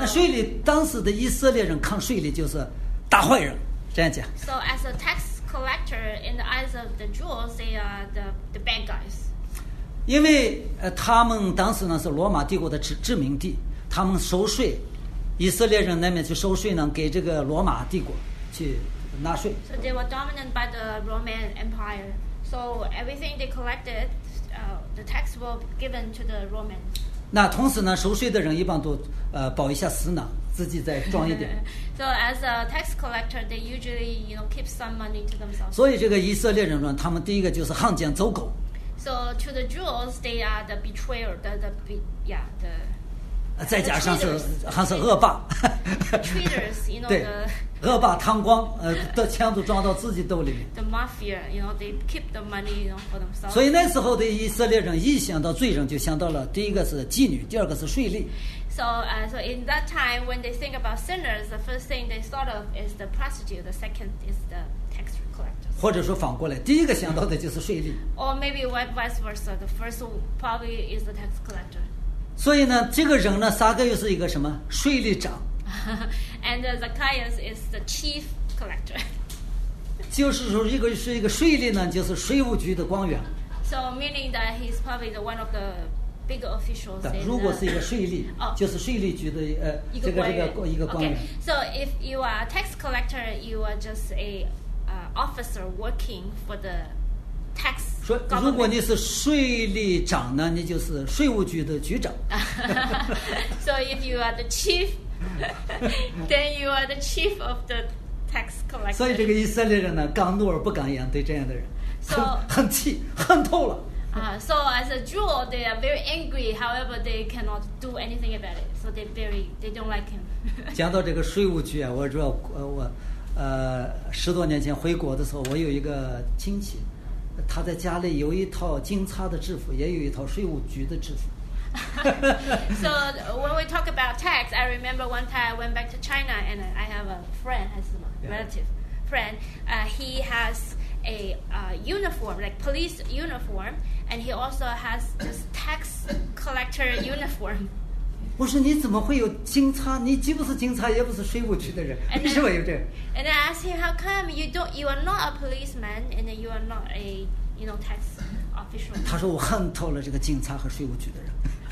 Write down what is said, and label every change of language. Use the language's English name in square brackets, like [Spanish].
[Chinese] 那税吏当时的以色列人看税吏就是大坏人，这样讲。 [English] So as a tax collector in the eyes of the Jews, they are the bad guys. [Chinese] 因为他们当时呢是罗马帝国的殖民地，他们收税，以色列人那边去收税呢，给这个罗马帝国去纳税。 [English] So they were dominated by the Roman Empire. So everything they collected. The tax will be given to the Romans. [Chinese] 那同时呢，收税的人一般都保一下私囊，自己再装一点。 [English] So as a tax collector, they usually you know keep some money to themselves. [Chinese] 所以这个以色列人呢，他们第一个就是汉奸走狗。 [English] So to the Jews, they are the betrayer, the [Chinese] 再加上是还是恶霸。 [English] Traitors, you know the. [Chinese] 恶霸贪官，的枪都装到自己兜里面。 [English] The mafia, you know, they keep the money, you know, for themselves. [Chinese] 所以那时候的以色列人一想到罪人，就想到了第一个是妓女，第二个是税吏。 [English] So in that time when they think about sinners, the first thing they thought of is the prostitute. The second is the tax collector. [Chinese] 或者说反过来，第一个想到的就是税吏。 [English] Or maybe vice versa. The first probably is the tax collector. [Chinese] 所以呢，这个人呢，撒该又是一个什么税吏长。 [English] And Zacchaeus is the chief collector. [Chinese] 就是说，一个税吏呢，就是税务局的官员。 [English] So meaning that he's probably the one of the big officials. [Chinese] 对，如果是一个税吏，就是税吏局的一个官员。 [English] Okay. So if you are a tax collector, you are just a officer working for the tax government. [Chinese] 如果你是税吏长呢，你就是税务局的局长。 [English] So if you are the chief. Then you are the chief of the tax collector. [Chinese] 所以这个以色列人呢，敢怒而不敢言，对这样的人，很气，恨透了。 [English] So as a Jew, they are very angry. However, they cannot do anything about it. So they don't like him. [Chinese] 讲到这个税务局啊，我主要我十多年前回国的时候，我有一个亲戚，他在家里有一套金叉的制服，也有一套税务局的制服。 [English] So when we talk about tax, I remember one time I went back to China and I have a friend, has a relative friend. He has a uniform, like police uniform, and he also has this tax collector uniform. [Chinese] 我说你怎么会有金叉？你既不是金叉，也不是税务局的人，为什么有这？ [English] And I asked him, how come you don't? You are not a policeman, and you are not a tax official. [Chinese] 他说我恨透了这个金叉和税务局的人。